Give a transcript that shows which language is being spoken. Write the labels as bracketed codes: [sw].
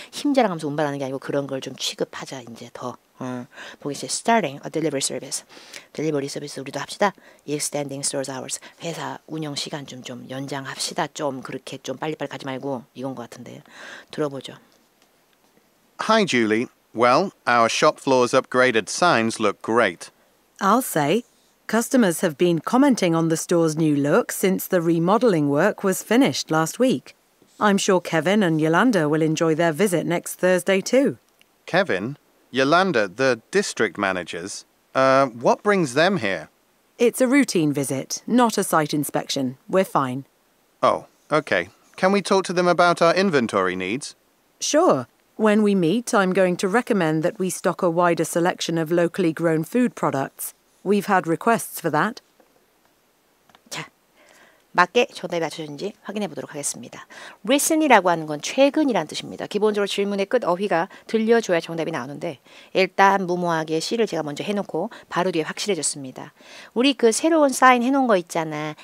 [ko] 힘자랑하면서 운반하는 게 아니고 그런 걸 좀 취급하자 이제 더. 보기에 [en] starting a delivery service. Delivery service [ko] 우리도 합시다. [en] Extending stores hours. [ko] 회사 운영 시간 좀 연장합시다. 좀 그렇게 좀 빨리빨리 가지 말고 이건 것 같은데. 들어보죠. [en] Hi, Julie. Well, our shop floor's upgraded signs look great. I'll say. Customers have been commenting on the store's new look since the remodeling work was finished last week. I'm sure Kevin and Yolanda will enjoy their visit next Thursday too. Kevin? Yolanda, the district managers? What brings them here? It's a routine visit, not a site inspection. We're fine. Oh, okay. Can we talk to them about our inventory needs? Sure. When we meet, I'm going to recommend that we stock a wider selection of locally grown food products. We've had requests for that. [ko] 자, 맞게 정답이 맞춰졌는지 확인해 보도록 하겠습니다. Recently라고 하는 건 최근이란 뜻입니다. 기본적으로 질문의 끝 어휘가 들려줘야 정답이 나오는데 일단 무모하게 C를 제가 먼저 해놓고 바로 뒤에 확실해졌습니다. 우리 그 새로운 사인 해놓은 거 있잖아.